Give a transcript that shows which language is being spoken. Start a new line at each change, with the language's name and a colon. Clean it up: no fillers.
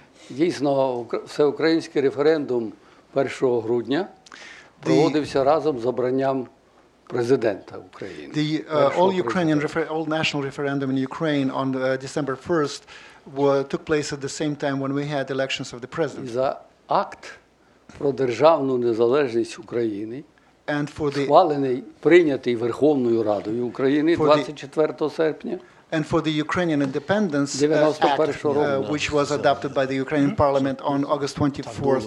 Ukrainian: Дійсно, всеукраїнський референдум 1 грудня проводився разом з обранням президента України.
English: The all-Ukrainian all-national referendum in Ukraine on December 1st took place at the same time when we had elections of the president.
Ukrainian: За акт про державну незалежність України, схвалений, прийнятий Верховною Радою України 24 серпня.
English: And for the Ukrainian Independence Act, which was adopted by the Ukrainian Parliament on August 24th,